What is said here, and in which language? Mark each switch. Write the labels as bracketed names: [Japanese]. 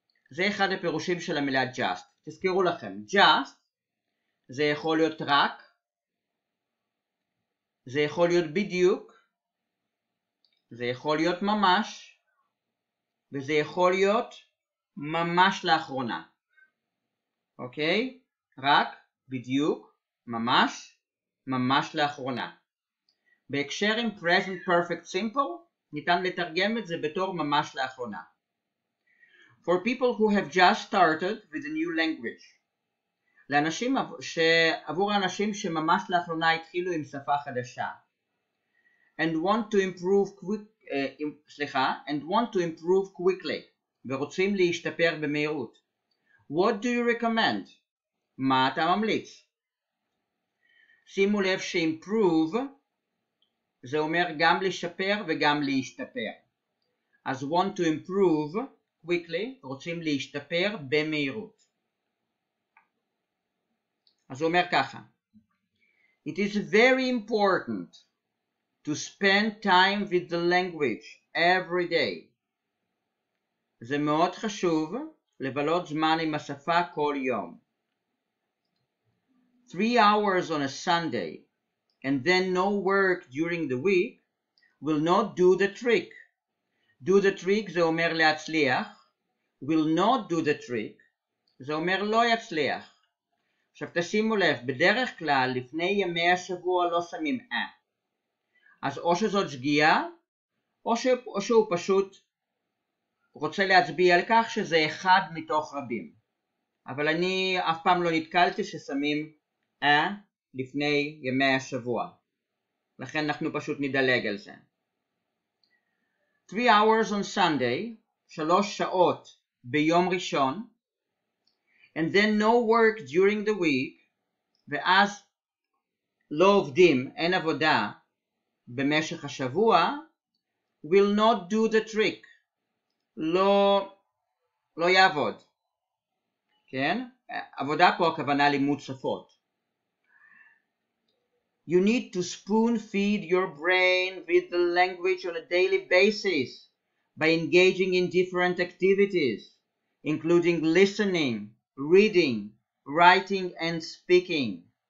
[Hebrew] זה אחד הפירושים של המילה just. תזכרו לכם, just זה יכול להיות רק, זה יכול להיות בדיוק, זה יכול להיות ממש, וזה יכול להיות ממש לאחרונה. אוקיי? רק, בדיוק, ממש, ממש לאחרונה. בהקשר עם present perfect simple, ניתן לתרגם את זה בתור ממש לאחרונה. [English] For people who have just started with a new language. [Hebrew] לאנשים שעבור האנשים שממש לאחרונה התחילו עם שפה חדשה. [English] And want to improve quickly. And want to improve quickly. [Hebrew] ורוצים להשתפר במהירות. [English] What do you recommend? [Hebrew] מה אתה ממליץ? שימו לב שimprove זה אומר גם לשפר וגם להשתפר. אז [English] want to improve quickly, [Hebrew] רוצים להשתפר במהירות. אז הוא אומר ככה. [English] It is very important to spend time with the language every day. [Hebrew] זה מאוד חשוב לבלות זמן עם השפה כל יום. [English] 3 hours on a Sunday and then no work during the week will not do the trick. Do the trick [Hebrew] זה אומר להצליח. [English] Will not do the trick [Hebrew] זה אומר לא יצליח. עכשיו תשימו לב, בדרך כלל לפני ימי השבוע לא שמים אה. אז או שזאת שגיאה, או שהוא פשוט רוצה להצביע על כך שזה אחד מתוך רבים. אבל אני אף פעם לא נתקלתי ששמים לפני ימי השבוע. לכן אנחנו פשוט נדלג על זה. [English] 3 hours on Sunday, [Hebrew] 3 שעות ביום ראשון, [English] and then no work during the week, [Hebrew] ואז לא עובדים, אין עבודה, במשך השבוע, [English] will not do the trick. [Hebrew] לא יעבוד. כן? עבודה פה הכוונה לימוד שפות. [English] You need to spoon feed your brain with the language on a daily basis by engaging in different activities, including listening, reading, writing and speaking.